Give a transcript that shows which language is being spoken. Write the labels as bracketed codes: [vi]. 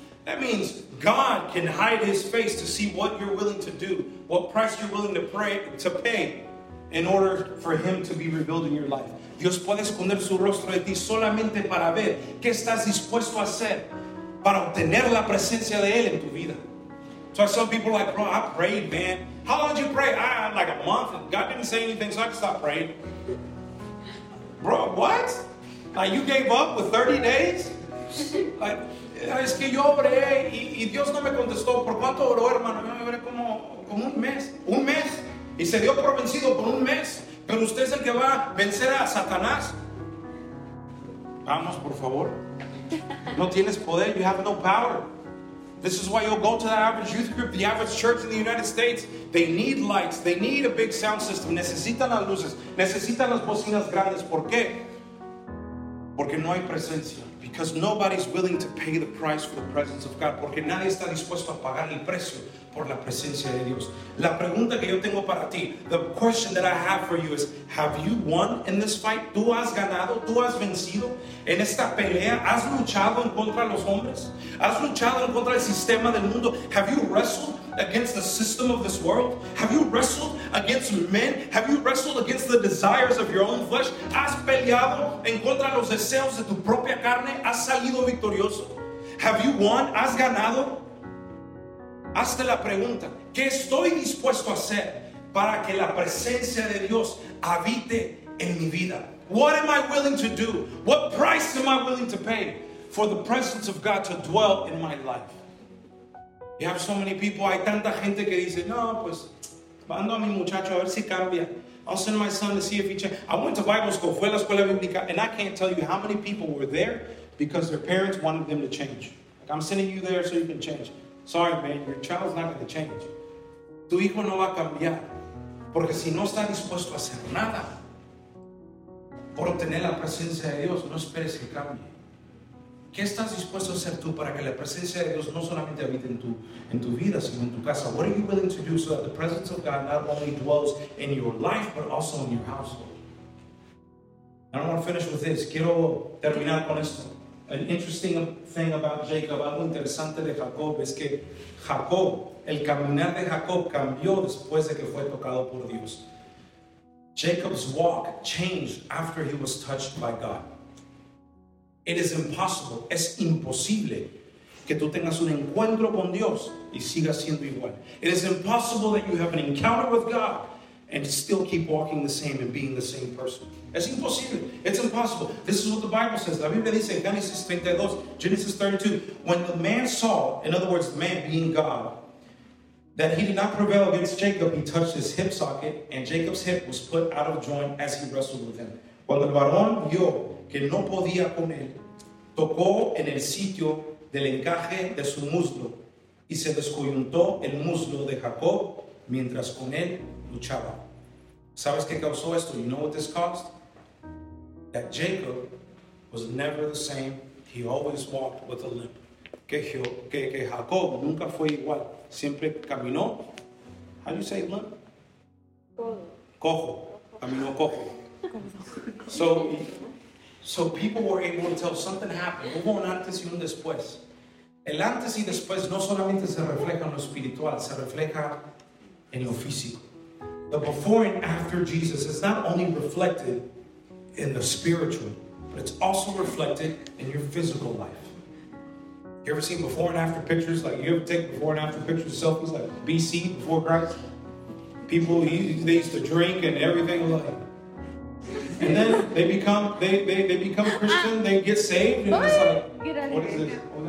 [en] That means God can hide his face to see what you're willing to do, what price you're willing to pay. In order for him to be revealed in your life. [es] Dios puede esconder su rostro de ti solamente para ver qué estás dispuesto a hacer para obtener la presencia de él en tu vida. [en] So I saw people like, bro, I prayed, man. How long did you pray? Like a month. God didn't say anything, so I just stopped praying. Bro, what? Like you gave up with 30 days? [es] Like, es que yo oré y Dios no me contestó. ¿Por cuánto oró, hermano? Yo oré como un mes. ¿Un mes? Y se dio por vencido por un mes, pero usted es el que va a vencer a Satanás. Vamos, por favor. No tienes poder. [en] You have no power. This is why you'll go to the average youth group, the average church in the United States. They need lights. They need a big sound system. [es] Necesitan las luces. Necesitan las bocinas grandes. ¿Por qué? Porque no hay presencia. [en] Because nobody's willing to pay the price for the presence of God. [es] Porque nadie está dispuesto a pagar el precio por la presencia de Dios. La pregunta que yo tengo para ti, [en] the question that I have for you is, have you won in this fight? [es] ¿Tú has ganado? ¿Tú has vencido? ¿En esta pelea has luchado en contra los hombres? ¿Has luchado en contra el sistema del mundo? [en] Have you wrestled against the system of this world? Have you wrestled against men? Have you wrestled against the desires of your own flesh? [es] ¿Has peleado en contra los deseos de tu propia carne? ¿Has salido victorioso? [en] Have you won? [es] ¿Has ganado? Hazte la pregunta, ¿qué estoy dispuesto a hacer para que la presencia de Dios habite en mi vida? [en] What am I willing to do? What price am I willing to pay for the presence of God to dwell in my life? You have so many people, [es] hay tanta gente que dice, no, pues, mando a mi muchacho a ver si cambia. [en] I'll send my son to see if he changes. I went to Bible school, [es] fue a la escuela bíblica, [en] and I can't tell you how many people were there because their parents wanted them to change. Like, I'm sending you there so you can change. Sorry, man, your child's not going to change. [es] Tu hijo no va a cambiar, porque si no está dispuesto a hacer nada por obtener la presencia de Dios, no esperes que cambie. ¿Qué estás dispuesto a hacer tú para que la presencia de Dios no solamente habite en tu vida, sino en tu casa? [en] What are you willing to do so that the presence of God not only dwells in your life, but also in your household? I don't want to finish with this. [es] Quiero terminar con esto. [en] An interesting thing about Jacob, [es] algo interesante de Jacob, es que Jacob, el caminar de Jacob cambió después de que fue tocado por Dios. [en] Jacob's walk changed after he was touched by God. It is impossible, [es] es imposible que tú tengas un encuentro con Dios y sigas siendo igual. [en] It is impossible that you have an encounter with God and still keep walking the same and being the same person. [es] Es imposible. [en] It's impossible. This is what the Bible says. [es] La Biblia dice, [en] Genesis 32, Genesis 32, when the man saw, in other words, the man being God, that he did not prevail against Jacob, he touched his hip socket, and Jacob's hip was put out of joint as he wrestled with him. [es] Cuando el varón vio que no podía con él, tocó en el sitio del encaje de su muslo, y se descoyuntó el muslo de Jacob mientras con él luchaba. ¿Sabes qué causó esto? [en] You know what this caused? That Jacob was never the same. He always walked with a limp. [es] Que Jacob nunca fue igual. Siempre caminó. [en] How do you say limp? [es] Cojo. Caminó cojo. [en] So people were able to tell something happened. [es] Hubo un antes y un después. El antes y después no solamente se refleja en lo espiritual, se refleja en lo físico. [en] The before and after Jesus is not only reflected in the spiritual, but it's also reflected in your physical life. You ever seen before and after pictures? Like, you ever take before and after pictures, selfies, like BC, before Christ? People, they used to drink and everything. Like, and then they become Christian, they get saved, and it's like, what is this?